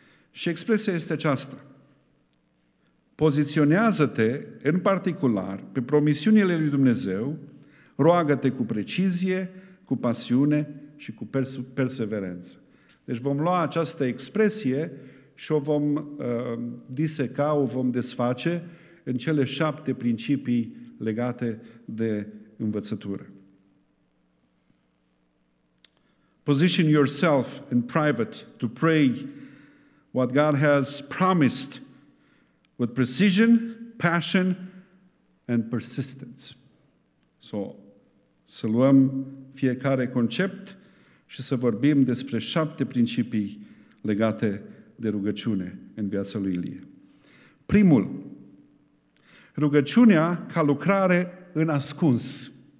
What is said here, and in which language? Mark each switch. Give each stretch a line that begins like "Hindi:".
Romanian: Și expresia este aceasta. Poziționează-te în particular pe promisiunile lui Dumnezeu, roagă-te cu precizie, cu pasiune și cu perseverență. Deci vom lua această expresie și o vom diseca, o vom desface în cele 7 principii legate de învățătură.
English: Position yourself in private to pray what God has promised with precision, passion and persistence.
Romanian: So, să luăm fiecare concept și să vorbim despre 7 principii legate de rugăciune în viața lui Ilie. Primul, rugăciunea ca lucrare în ascuns.